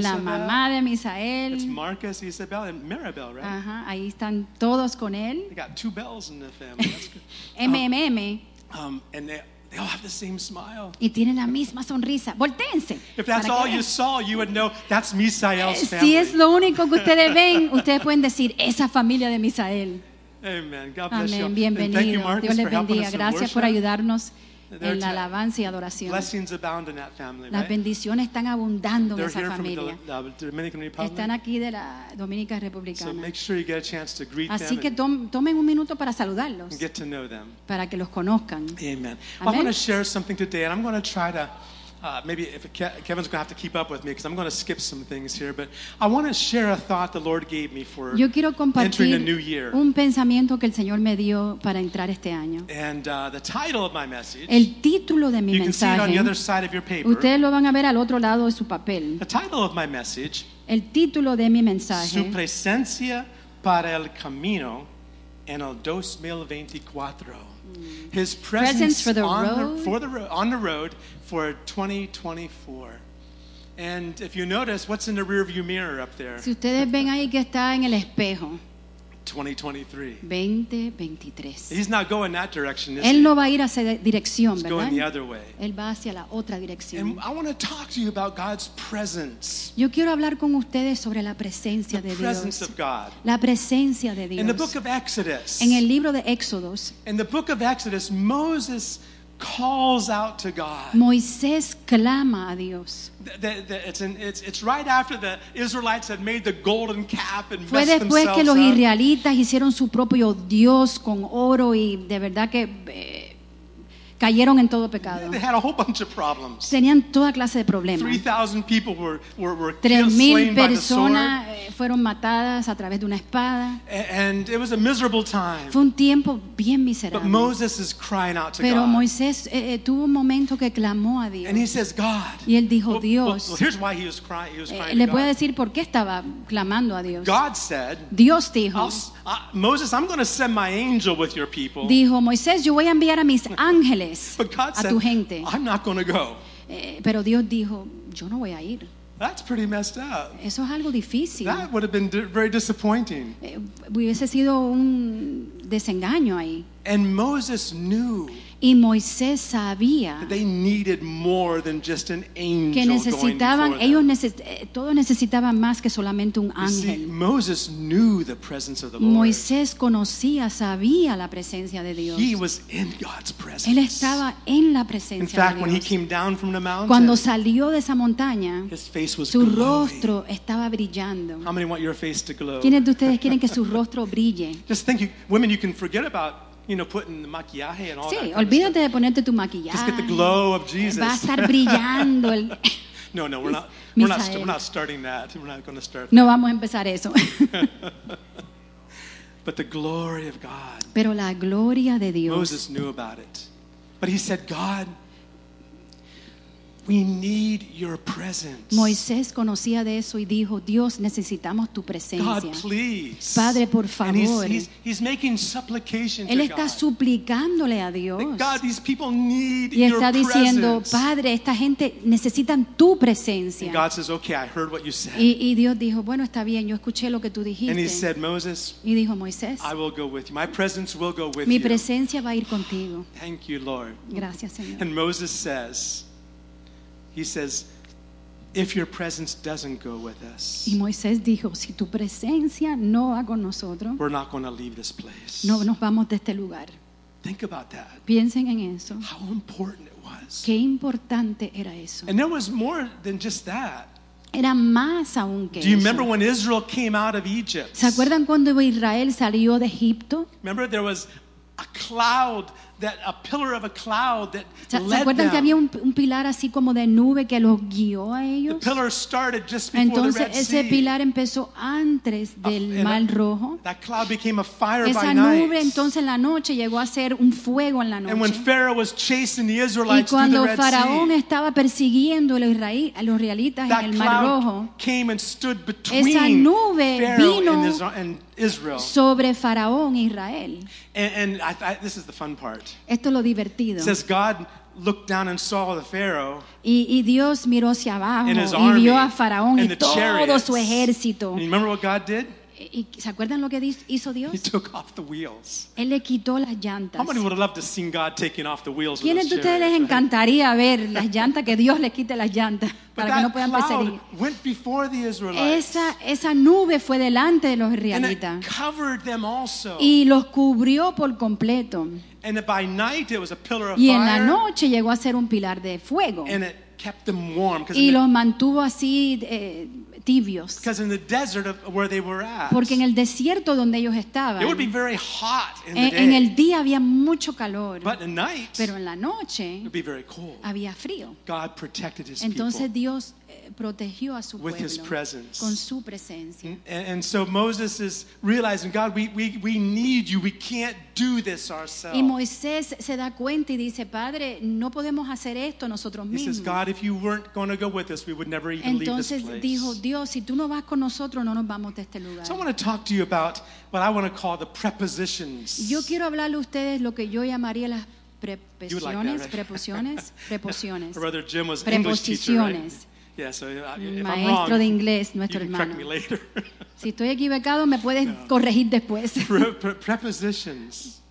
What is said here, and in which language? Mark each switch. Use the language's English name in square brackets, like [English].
[Spanish] la mamá de Misael. [English] It's Marcus, Isabel, and Maribel, right? [Spanish] Uh-huh. Ahí están todos con él. [English] They got two bells in the family. That's good. MMM. And they all have the same smile. [Spanish] Y tienen la misma sonrisa. Voltéense. [English] If that's all you saw, you would know that's Misael's family. [Spanish] Si es lo único que ustedes ven, ustedes pueden decir esa familia de Misael. [English] Amen. God bless Amen. You. Amen. [Spanish] Bienvenido. [English] Thank you, Marcus, [Spanish] Dios les bendiga. Gracias [English] worship. [Spanish] Por ayudarnos en la alabanza y adoración. [English] Blessings abound in that family. [Spanish] Las bendiciones están abundando [English] They're [Spanish] en esa familia. Están aquí de la Dominica Republicana. [English] So make sure you get a chance to greet [Spanish] Así que tomen un minuto para saludarlos. [English] Get to know them. [Spanish] Para que los conozcan. [English] Amen. Well, I want to share something today, and I'm going to try to maybe if Kevin's going to have to keep up with me because I'm going to skip some things here, but I want to share a thought the Lord gave me for [Spanish] Yo quiero compartir [English] entering a new year. [Spanish] Un pensamiento que el Señor me dio para entrar este año. [English] And the title of my message, [Spanish] el título de mi [English] you [Spanish] mensaje, [English] can see it on the other side of your paper. [Spanish] Ustedes lo van a ver al otro lado de su papel. [English] The title of my message, [Spanish] el título de mi mensaje, Su presencia para el camino en el 2024. [English] His presence for the road. On the road for 2024. And if you notice, what's in the rearview mirror up there? [Spanish] Si ustedes ven ahí que está en el espejo. [English] 2023. He's not going that direction, is [Spanish] Él no va a ir a esa dirección, [English] He's [Spanish] ¿verdad? [English] Going the other way. [Spanish] Él va hacia la otra dirección. [English] And I want to talk to you about God's presence. [Spanish] Yo quiero hablar con ustedes sobre la presencia [English] the [Spanish] de Dios. [English] Presence of God. [Spanish] La presencia de Dios. [English] In the book of Exodus. [Spanish] En el libro de Éxodos. [English] In the book of Exodus, Moses calls out to God. [Spanish] Moisés clama a Dios. [English] It's right after the Israelites had made the golden calf and [Spanish] Fue [English] messed [Spanish] después [English] themselves [Spanish] que los [English] up. [Spanish] Israelitas hicieron su propio Dios con oro y de verdad que cayeron en todo pecado. [English] They had a whole bunch of problems. [Spanish] Tenían toda clase de problemas. [English] 3,000 people were [Spanish] 3,000 personas fueron matadas a través de una espada. [English] And it was a miserable time. [Spanish] Fue un tiempo bien miserable. [English] But Moses is crying out to [Spanish] Pero [English] God. [Spanish] Moisés tuvo un momento que clamó a Dios. [English] And he says, God. [Spanish] Y él dijo, Dios. [English] Well, here's why he was crying. [Spanish] Le puedo decir por qué estaba clamando a Dios. [English] God said, [Spanish] Dios dijo, [English] Moses, I'm going to send my angel with your people. [Spanish] Dijo, Moisés, yo voy a enviar a mis ángeles. [English] But God said, [Spanish] a tu gente. [English] I'm not going to go. [Spanish] Pero Dios dijo, yo no voy a ir. [English] That's pretty messed up. [Spanish] Eso es algo difícil. [English] That would have been very disappointing. [Spanish] Hubiese sido un desengaño ahí. [English] And Moses knew. [Spanish] Y Moisés sabía. [English] That they needed more than just an angel [Spanish] que necesitaban, [English] going for [Spanish] ellos [English] them. [Spanish] Todos necesitaban más que solamente un ángel. [English] See, Moses knew the presence of the Lord. [Spanish] Moisés conocía, sabía la presencia de Dios. [English] He was in God's presence. [Spanish] Él estaba en la presencia [English] in [Spanish] de [English] fact, [Spanish] Dios. [English] When he came down from the mountain, [Spanish] cuando salió de esa montaña, [English] his face was [Spanish] su [English] glowing. [Spanish] Rostro estaba brillando. [English] How many want your face to glow? [Spanish] ¿Quiénes de ustedes quieren que su rostro brille? [English] Just think, women, you can forget about You know, putting the maquillaje and all [Spanish] sí, [English] that. [Spanish] Sí, olvídate [English] kind of [Spanish] de ponerte tu maquillaje. [English] Just get the glow of Jesus. [Spanish] Va a estar brillando. El... [English] No, no, we're not. We're not starting that. We're not going to start. [Spanish] No, [English] that. [Spanish] Vamos a empezar eso. [English] But the glory of God. [Spanish] Pero la gloria de Dios. [English] Moses knew about it, but he said, "God, we need your presence." [Spanish] Moisés conocía de eso y dijo, Dios, necesitamos tu presencia. [English] God, please. [Spanish] Padre, por favor. [English] And he's making supplication [Spanish] Él [English] to [Spanish] está [English] God. [Spanish] Suplicándole a Dios. [English] That God, these people need [Spanish] y está [English] your [Spanish] diciendo, [English] presence. [Spanish] Padre, esta gente necesitan tu presencia. [English] And God says, okay, I heard what you said. [Spanish] Y Dios dijo, bueno, está bien, yo escuché lo que tú dijiste. [English] And he said, Moses, [Spanish] y dijo, Moisés, [English] I will go with you. My presence will go with [Spanish] mi [English] you. [Spanish] Presencia va a ir contigo. [English] Thank you, Lord. [Spanish] Gracias, Señor. [English] And Moses says, He says, if your presence doesn't go with us, [Spanish] y Moisés dijo, si tu presencia no va con nosotros, [English] we're not going to leave this place. [Spanish] No nos vamos de este lugar. [English] Think about that. [Spanish] Piensen en eso. [English] How important it was. [Spanish] Qué importante era eso. [English] And there was more than just that. [Spanish] Era más aún que [English] Do you remember [Spanish] eso. [English] When Israel came out of Egypt? [Spanish] ¿Se acuerdan cuando Israel salió de Egipto? [English] Remember there was a cloud, that a pillar of a cloud that [Spanish] ¿se acuerdan [English] them? [Spanish] Que había un pilar así como de nube que los guió a ellos? [English] The pillar started just before [Spanish] entonces, [English] the Red [Spanish] ese [English] Sea. [Spanish] Pilar empezó antes del Mar Rojo. [English] That cloud became a fire [Spanish] esa [English] by [Spanish] nube [English] night. [Spanish] Entonces en la noche llegó a ser un fuego en la noche. [English] And when Pharaoh was chasing the Israelites [Spanish] y cuando [English] through the [Spanish] Faraón [English] Red [Spanish] estaba persiguiendo a los israelitas en el Mar Rojo, [English] came and stood between [Spanish] esa nube [English] Pharaoh [Spanish] vino [English] and Israel. [Spanish] Sobre Faraón Israel. [English] And I this is the fun part. [Spanish] Esto es lo divertido. [English] It says God looked down and saw the Pharaoh. [Spanish] Y Dios miró hacia abajo y vio a Faraón y todo [English] chariots. [Spanish] Su ejército. [English] And you remember what God did? [Spanish] ¿Se acuerdan lo que hizo Dios? [English] He took off the wheels. [Spanish] Él le quitó las llantas. [English] How many would have loved to see God taking off the wheels? [Spanish] ¿Quiénes de ustedes les encantaría ver las llantas que Dios le quite las llantas para que no puedan perseguir? [English] But that cloud went before the Israelites. [Spanish] Esa nube fue delante de los israelitas. [English] And it covered them also. [Spanish] Y los cubrió por completo. [English] And by night it was a pillar of fire. [Spanish] Y en la noche llegó a ser un pilar de fuego. [English] And it kept them warm. [Spanish] Y los mantuvo así. Tibios. [English] Because in the desert of where they were at, [Spanish] porque en el desierto donde ellos estaban, [English] it would be very hot in the day. [Spanish] En el día había mucho calor, [English] but at night, [Spanish] pero en la noche, [English] it would be very cold. [Spanish] Había frío. [English] God protected his [Spanish] entonces, [English] people. [Spanish] Dios, protegió a su [English] with [Spanish] pueblo, [English] his presence. [Spanish] Con su presencia. [English] And so Moses is realizing, God, we need you. We can't do this ourselves. [Spanish] Y Moisés se da cuenta y dice, Padre, no podemos hacer esto nosotros mismos. [English] He says, God, if you weren't going to go with us, we would never even [Spanish] entonces, [English] leave this [Spanish] dijo, [English] place. [Spanish] Dios, si tú no vas con nosotros, no nos vamos de este lugar. [English] So I want to talk to you about what I want to call the prepositions. [Spanish] Yo quiero hablarle a ustedes lo que yo llamaría las [English] prepositions. Prepositions. Right? Brother Jim was an English teacher, right? Yeah, so if [Spanish] maestro [English] I'm wrong, [Spanish] de inglés, nuestro [English] you can [Spanish] hermano. [English] Correct me later. [Spanish] Si estoy equivocado, me puedes no. corregir después. [English] Prepositions.